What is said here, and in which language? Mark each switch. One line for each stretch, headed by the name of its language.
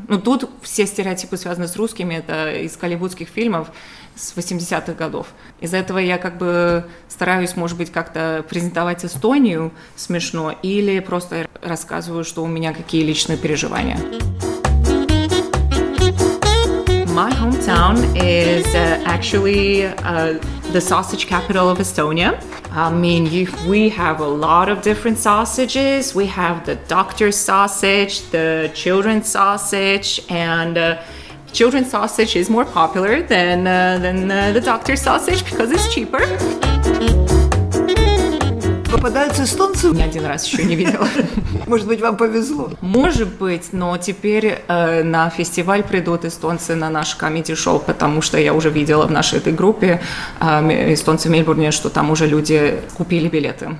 Russian: Ну, тут все стереотипы связаны с русскими, это из голливудских фильмов с 80-х годов. Из-за этого я как бы стараюсь, может быть, как-то презентовать Эстонию смешно или просто рассказываю, что у меня какие личные переживания.
English: My hometown is actually the sausage capital of Estonia. I mean, we have a lot of different sausages. We have the doctor's sausage, the children's sausage, and children's sausage is more popular than the doctor's sausage because it's cheaper.
Russian: Попадаются эстонцы? Ни один раз еще не видела. Может быть, вам повезло? Может быть, но теперь на фестиваль придут эстонцы на наш комеди-шоу, потому что я уже видела в нашей этой группе эстонцы в Мельбурне, что там уже люди купили билеты.